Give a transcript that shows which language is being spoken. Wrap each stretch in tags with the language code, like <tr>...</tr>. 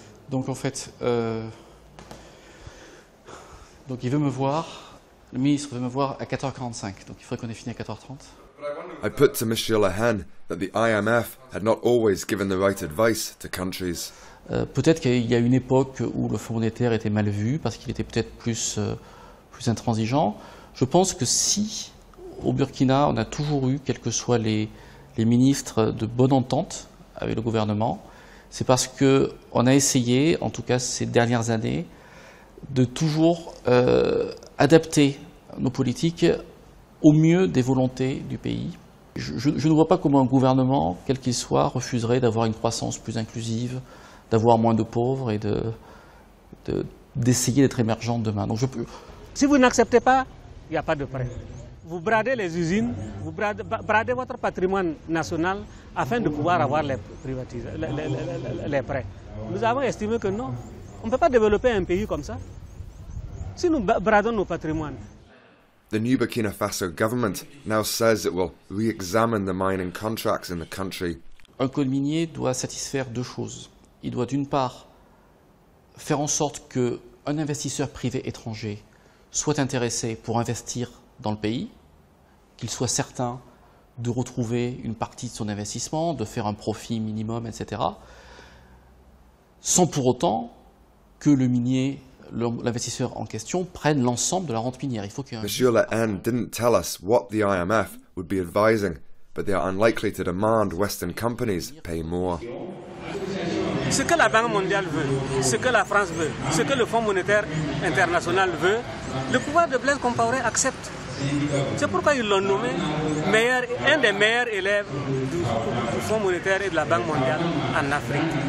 <fr>Donc en fait, donc il veut me voir. Le ministre veut me voir à 4h45. Donc il faudrait qu'on ait fini à 4h30.</fr> <en>I put to Michel Lahan that the IMF had not always given the right advice to countries.</en> <fr>Peut-être qu'il y a une époque où le Fonds monétaire était mal vu parce qu'il était peut-être plus intransigeant. Je pense que si au Burkina, on a toujours eu, quels que soient les ministres, de bonne entente avec le gouvernement, c'est parce qu'on a essayé, en tout cas ces dernières années, de toujours adapter nos politiques au mieux des volontés du pays. Je ne vois pas comment un gouvernement, quel qu'il soit, refuserait d'avoir une croissance plus inclusive, d'avoir moins de pauvres et d'essayer d'être émergent demain. Donc si vous n'acceptez pas, il n'y a pas de prêt. Vous bradez les usines, vous bradez votre patrimoine national afin de pouvoir avoir les prêts. Nous avons estimé que non, on ne peut pas développer un pays comme ça si nous bradons nos patrimoines.</fr> <en>The new Burkina Faso government now says it will re-examine the mining contracts in the country.</en> <fr>Un code minier doit satisfaire deux choses. Il doit d'une part faire en sorte qu'un investisseur privé étranger soit intéressé pour investir dans le pays, qu'il soit certain de retrouver une partie de son investissement, de faire un profit minimum, etc., sans pour autant que le minier, l'investisseur en question, prenne l'ensemble de la rente minière. Il faut qu'il y ait un...</fr> <en>Monsieur Lahan didn't tell us what the IMF would be advising, but they are unlikely to demand Western companies pay more.</en> <fr>Ce que la Banque mondiale veut, ce que la France veut, ce que le Fonds monétaire international veut, le pouvoir de Blaise Compaoré accepte. C'est pourquoi ils l'ont nommé un des meilleurs élèves du Fonds monétaire et de la Banque mondiale en Afrique.</fr>